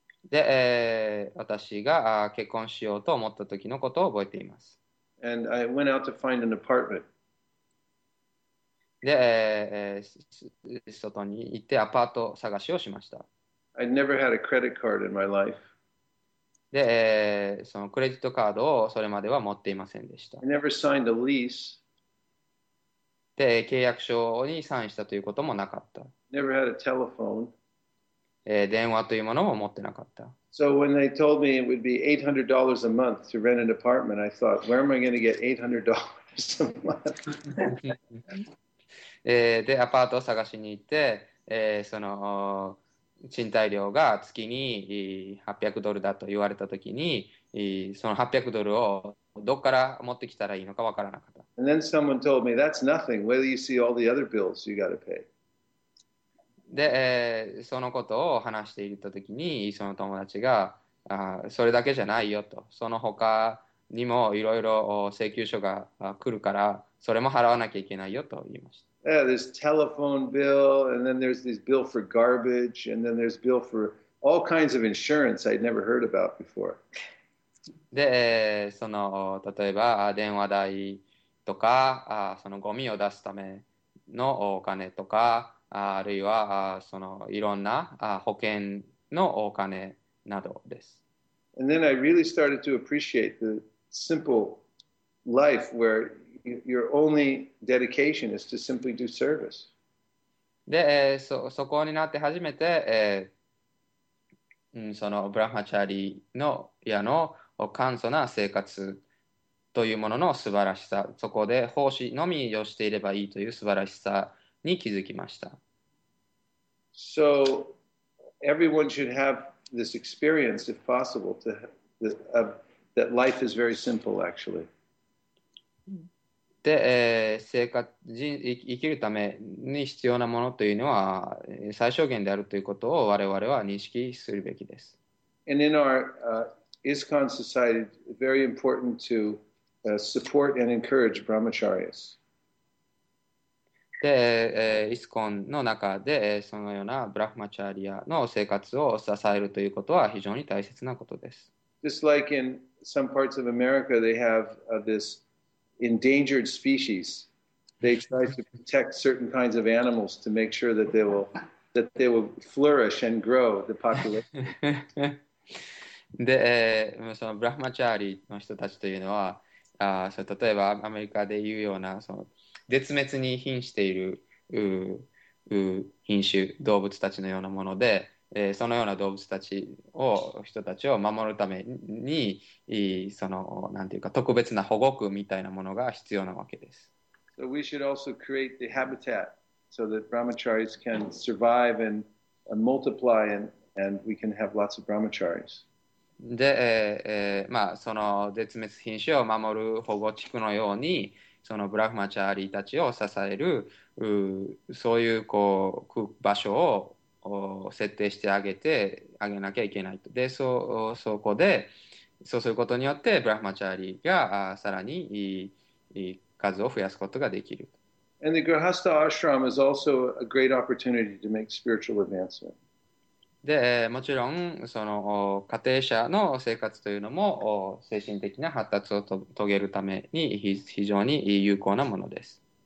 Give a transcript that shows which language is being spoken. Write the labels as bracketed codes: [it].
[ja] で、私が結婚しようと思った時のことを覚えています。 [en] And I went out to find an apartment. [ja] で、外に行ってアパート探しをしました。 [en] I'd never had a credit card in my life. [ja] で、そのクレジットカードをそれまでは持っていませんでした。 [en] I never signed a lease. [ja] で、契約書にサインしたということもなかった。 [en] Never had a telephone. [ja] 電話というものも持ってなかった。 [en] So when they told me it would be $800 a month to rent an apartment, I thought, where am I going to get $800 a month? [ja] で、アパートを探しに行って、その、賃貸料が月に800ドルだと言われたときに、その800ドルをどこから持ってきたらいいのかわからなかった。 [en] And then someone told me, that's nothing. Where do you see all the other bills you got to pay? [ja] で、そのことを話していたときに、その友達が、それだけじゃないよと、その他にもいろいろ請求書が来るから、それも払わなきゃいけないよと言いました。 [en] Yeah, there's telephone bill, and then there's this bill for garbage, and then there's bill for all kinds of insurance I'd never heard about before. [ja] で、その、例えば、電話代とか、そのゴミを出すためのお金とか、あるいは、その、いろんな、保険のお金などです。 [en] And then I really started to appreciate the simple life where your only dedication is to simply do service. [ja] で、そこになって初めて、その、ブラハチャリの家の、簡素な生活というものの素晴らしさ、そこで奉仕のみをしていればいいという素晴らしさに気づきました。 [en] So everyone should have this experience, if possible, that life is very simple, actually. [ja] で、生活、人、生きるために必要なものというのは最小限であるということを我々は認識するべきです。 [en] And in our ISKCON society, very important to support and encourage brahmacharyas. [ja] で、イスコンの中で、そのようなブラフマチャリアの生活を支えるということは非常に大切なことです。 [en] Just like in some parts of America, they have this endangered species. They try to protect certain kinds of animals to make sure that they will flourish and grow the population. [ja] で、そのブラフマチャリの人たちというのは、例えばアメリカで言うような、その絶滅に瀕している品種、動物たちのようなもので、そのような動物たちを、人たちを守るために、その、なんていうか、特別な保護区みたいなものが必要なわけです。 [en] So we should also create the habitat so that brahmacharis can survive and multiply and we can have lots of brahmacharis. [ja] で、その絶滅品種を守る保護地区のように、そのブラフマチャーリーたちを支える、そういう、こう、場所を設定してあげなきゃいけないと。で、そこで、そうすることによって、ブラフマチャーリーがさらに数を増やすことができる。 [en] And the Grihastha ashram is also a great opportunity to make spiritual advancement. [ja] で、もちろん、その、家庭者の生活というのも、精神的な発達を遂げるために非常に有効なものです。